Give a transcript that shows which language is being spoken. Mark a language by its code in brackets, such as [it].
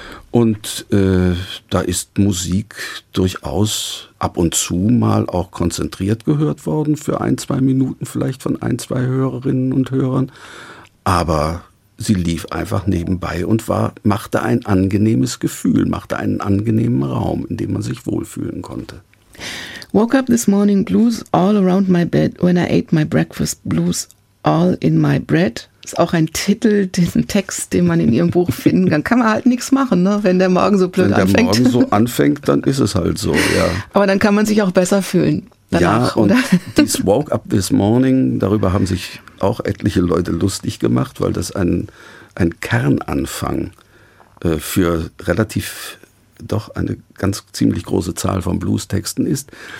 [de] Und da ist Musik durchaus ab und zu mal auch konzentriert gehört worden, für ein, zwei Minuten vielleicht von ein, zwei Hörerinnen und Hörern. Aber sie lief einfach nebenbei und machte ein angenehmes Gefühl, machte einen angenehmen Raum, in dem man sich wohlfühlen konnte. [en] Woke up this morning blues all around my bed when I ate my breakfast blues all in my bread. [de] Ist auch ein Titel, den Text, den man in ihrem Buch finden kann. Kann man halt nichts machen, ne? Wenn der Morgen so blöd anfängt. Wenn der Morgen so anfängt, dann ist es halt so, ja. Aber dann kann man sich auch besser fühlen danach, ja, und oder? Dies Woke up this morning, darüber haben sich auch etliche Leute lustig gemacht, weil das ein Kernanfang für relativ, doch eine ganz ziemlich große Zahl von Blues-Texten ist.